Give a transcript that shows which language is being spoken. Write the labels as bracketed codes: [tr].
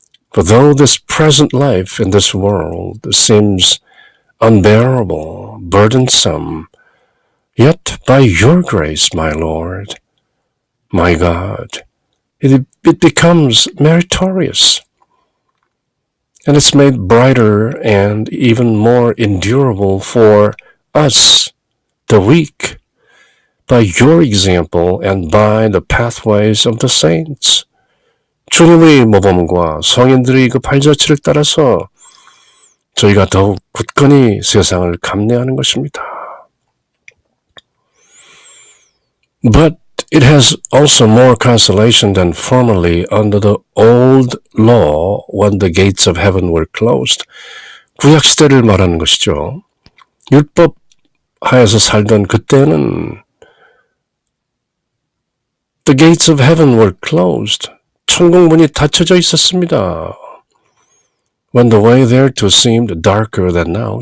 [en] For though this present life in this world seems unbearable, burdensome, yet by your grace, my Lord, my God, it becomes meritorious, and it's made brighter and even more endurable for us, the weak, by your example and by the pathways of the saints. [ko] 주님의 모범과 성인들의 그 발자취를 따라서 저희가 더욱 굳건히 세상을 감내하는 것입니다. [en] But it has also more consolation than formerly under the old law when the gates of heaven were closed. [ko] 구약 시대를 말하는 것이죠. 율법 하에서 살던 그때는 [en] the gates of heaven were closed. [ko] 천국 문이 닫혀져 있었습니다. [en] When the way thereto seemed darker than now.